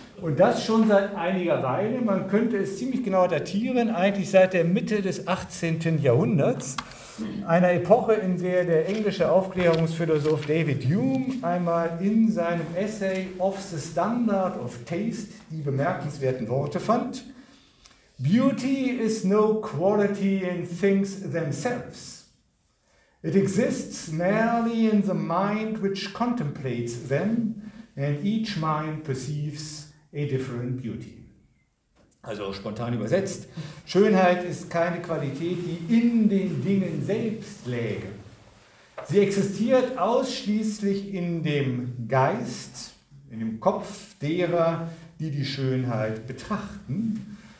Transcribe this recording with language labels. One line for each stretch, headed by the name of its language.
German: Und das schon seit einiger Weile. Man könnte es ziemlich genau datieren, eigentlich seit der Mitte des 18. Jahrhunderts, einer Epoche, in der der englische Aufklärungsphilosoph David Hume einmal in seinem Essay Of the Standard of Taste die bemerkenswerten Worte fand.
English: Beauty is no quality in things themselves. It exists merely in the mind which contemplates them, and each mind perceives a different beauty.
German: Also spontan übersetzt, Schönheit ist keine Qualität, die in den Dingen selbst läge. Sie existiert ausschließlich in dem Geist, in dem Kopf derer, die die Schönheit betrachten.